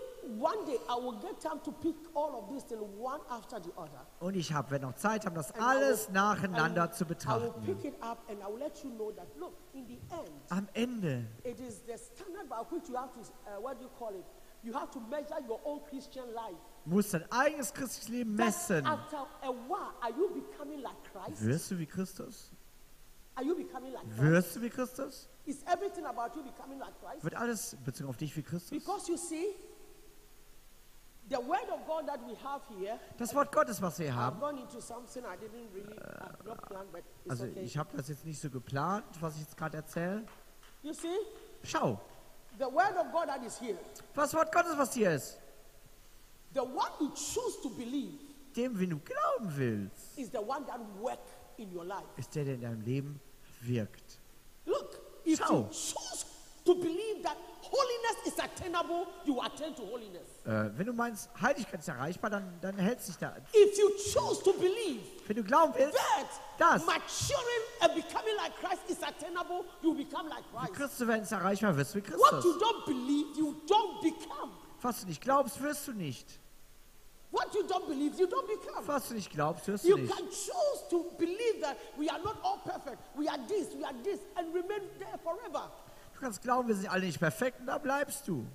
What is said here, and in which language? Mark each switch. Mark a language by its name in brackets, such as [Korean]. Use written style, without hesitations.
[English] One day I will get time to pick all of these things one after the other. [German] Und ich habe, wenn noch Zeit haben, das alles nacheinander zu betrachten. [English] I will pick it up and I will let you know that look, in the end, [German] am Ende, [English] it is the standard by which you have to, you have to measure your own Christian life. [German] Musst dein eigenes christliches Leben messen. [English] After a while, are you becoming like Christ? [German] Wirst du wie Christus? [English] Are you becoming like [German] Christ? Wirst du wie Christus? [English] Is everything about you becoming like Christ? [German] Wird alles bezogen auf dich wie Christus? [English] Because you see, the word of God that we have here. [German] Das Wort Gottes, was wir haben. [English] I've gone into something I didn't really planned, but it's also okay. [German] Ich habe das jetzt nicht so geplant, was ich jetzt gerade erzähle. [English] You see? [German] Schau. [English] The word of God that is here. [German] Das Wort Gottes, was hier ist. [English] The one you choose to believe. [German] Dem, wen du glauben willst. [English] Is the one that work in your life. [German] Ist der, der in deinem Leben wirkt. [English] Look, if you choose to believe that holiness is attainable, you attain to holiness. [German] Wenn du meinst, Heiligkeit ist erreichbar, dann hält sich da. [English] If you choose to believe, [German] wenn du glauben willst, [English] that [German] das [English] maturing and becoming like Christ is attainable, you become like Christ. [German] Wie Christus werden ist erreichbar, wirst du wie Christus. [English] What you don't believe, you don't become. [German] Was du nicht glaubst, wirst du nicht. [English] What you don't believe, you don't become. [German] Was du nicht glaubst, wirst du nicht. [English] You can choose to believe that we are not all perfect. We are this, and remain there forever. [German] Du kannst glauben, wir sind alle nicht perfekt, und da bleibst du.